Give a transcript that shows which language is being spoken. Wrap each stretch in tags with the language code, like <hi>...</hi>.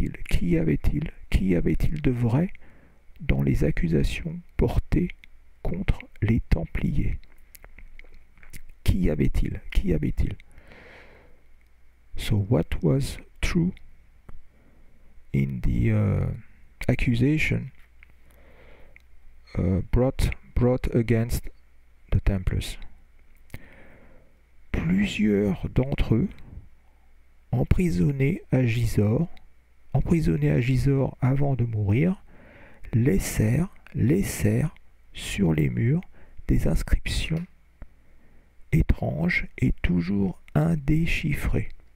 <fr>Qui avait-il de vrai dans les accusations portées contre les Templiers? Qui avait-il?</fr> <en>So what was true in the accusation brought against the Templars?</en> <fr>Plusieurs d'entre eux, emprisonnés à Gisors avant de mourir, laissèrent sur les murs des inscriptions étranges et toujours indéchiffrées.</fr>